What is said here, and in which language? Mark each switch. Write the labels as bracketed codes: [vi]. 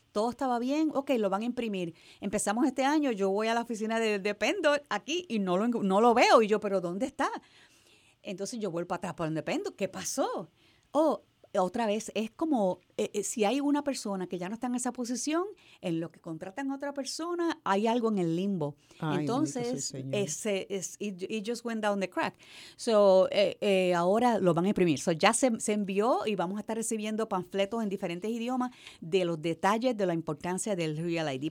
[es] Todo estaba bien, okay, lo van a imprimir. Empezamos este año, yo voy a la oficina de Pendo aquí y no lo veo. Y yo, ¿pero dónde está? Entonces yo vuelvo atrás por donde Pendo. ¿Qué pasó? Otra vez, es como si hay una persona que ya no está en esa posición, en lo que contratan a otra persona, hay algo en el limbo. Ay, entonces, [en] it just went down the crack. [es] So, ahora lo van a imprimir. So, ya se envió y vamos a estar recibiendo panfletos en diferentes idiomas de los detalles de la importancia del Real ID.